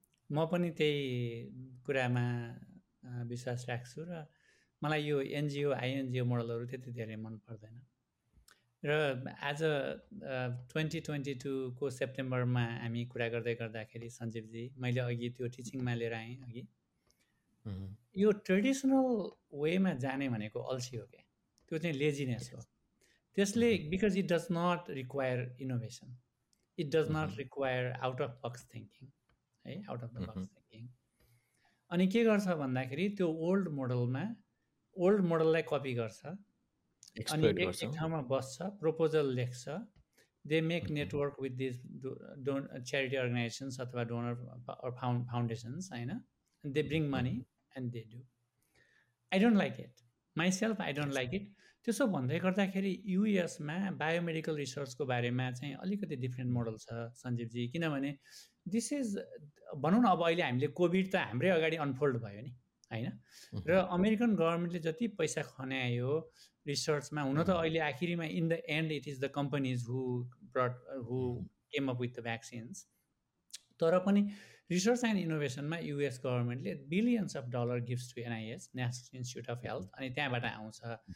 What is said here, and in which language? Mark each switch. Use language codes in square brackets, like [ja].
[ne] म पनि त्यही कुरामा विश्वास राख्छु र मलाई यो एनजिओ आइएनजिओ मोडलहरू त्यति धेरै मन पर्दैन. र आज 2022 सेप्टेम्बरमा हामी कुरा गर्दै गर्दाखेरि सञ्जीवजी, मैले अघि त्यो टिचिङमा लिएर आएँ अघि, यो ट्रेडिसनल वेमा जाने भनेको अल्छी हो क्या, त्यो चाहिँ लेजिनेस हो. त्यसले [en] because it does not require innovation, it does not require out of box thinking, [ne] है, [en] Out of the box thinking. [ne] अनि के गर्छ भन्दाखेरि त्यो ओल्ड मोडलमा, ओल्ड मोडललाई कपी गर्छ, अनि एक ठाउँमा बस्छ, प्रपोजल लेख्छ, [en] they make network with this don charity organisations अथवा donor foundations, [ne] होइन, [en] they bring money and they do. I don't like it. Myself, I don't like it. [ne] त्यसो भन्दै गर्दाखेरि युएसमा बायोमेडिकल रिसर्चको बारेमा चाहिँ अलिकति डिफ्रेन्ट मोडल छ सञ्जीवजी, किनभने दिस इज भनौँ न अब अहिले हामीले कोभिड त हाम्रै अगाडि अनफोल्ड भयो नि होइन, र अमेरिकन गभर्मेन्टले जति पैसा खन्यायो रिसर्चमा, हुन त अहिले आखिरीमा [en] in the end it is the companies who brought who came up with the vaccines, [ne] तर पनि रिसर्च एन्ड इनोभेसनमा युएस गभर्मेन्टले billions of dollar gifts to NIS national institute of health अनि त्यहाँबाट आउँछ.